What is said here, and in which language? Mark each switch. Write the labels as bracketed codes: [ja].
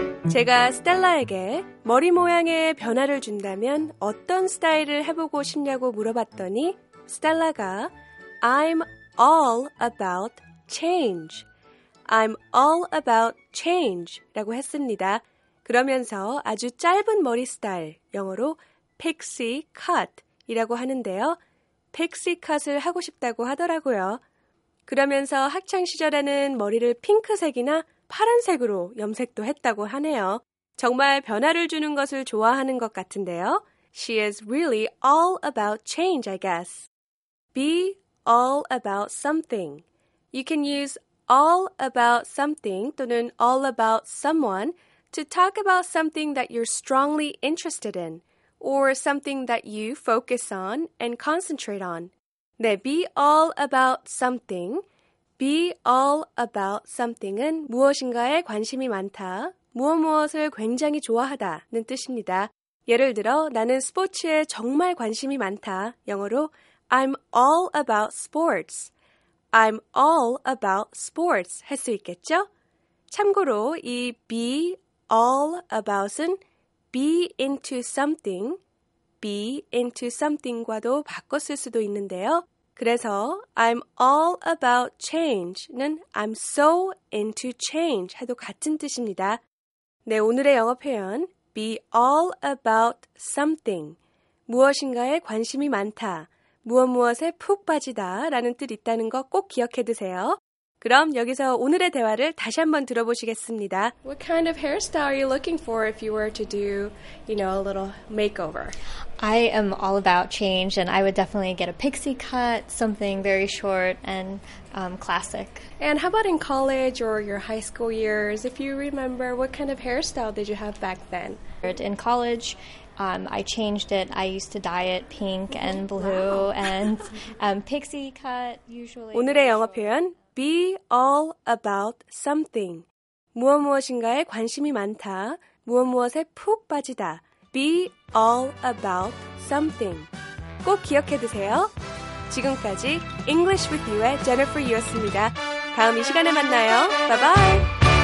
[ko] 제가 스텔라에게 머리 모양에 변화를 준다면 어떤 스타일을 해보고 싶냐고 물어봤더니 스텔라가 [en] I'm all about change. I'm all about change [ko] 라고 했습니다. 그러면서 아주 짧은 머리 스타일, 영어로 [en] pixie cut [ko] 이라고 하는데요. 픽시 컷을 하고 싶다고 하더라고요. 그러면서 학창시절에는 머리를 핑크색이나 파란색으로 염색도 했다고 하네요. 정말 변화를 주는 것을 좋아하는 것 같은데요. [en] She is really all about change, I guess. Be all about something. You can use all about something 또는 all about someone to talk about something that you're strongly interested in. Or something that you focus on and concentrate on. 네, be all about something. Be all about something [ko] 은 무엇인가에 관심이 많다, 무엇무엇을 굉장히 좋아하다는 뜻입니다. 예를 들어, 나는 스포츠에 정말 관심이 많다. 영어로 [en] I'm all about sports. I'm all about sports [ko] 할 수 있겠죠? 참고로 이 [en] be all about [ko] 은 [en] be into something, be into something [ko] 과도 바꿨을 수도 있는데요. 그래서 [en] I'm all about change는 I'm so into change [ko] 해도 같은 뜻입니다. 네, 오늘의 영어 표현 [en] be all about something. [ko] 무엇인가에 관심이 많다, 무엇무엇에 푹 빠지다 라는 뜻 있다는 거 꼭 기억해 두세요. 그럼 여기서 오늘의 대화를 다시 한번 들어보시겠습니다. [en] What kind of hairstyle are you looking for if you were to do, you know, a little makeover? I am all about change and I would definitely get a pixie cut, something very short and classic. And how about in college or your high school years? If you remember, what kind of hairstyle did you have back then? In college, I changed it. I used to dye it pink and blue and pixie cut usually. [ko] 오늘의 영어 표현 [en] Be all about something. [ko] 무엇무엇인가에 관심이 많다. 무엇무엇에 푹 빠지다. [en] Be all about something. [ko] 꼭 기억해 두세요. 지금까지 English with You의 Jennifer 이었습니다. 다음 이 시간에 만나요. [en] Bye bye.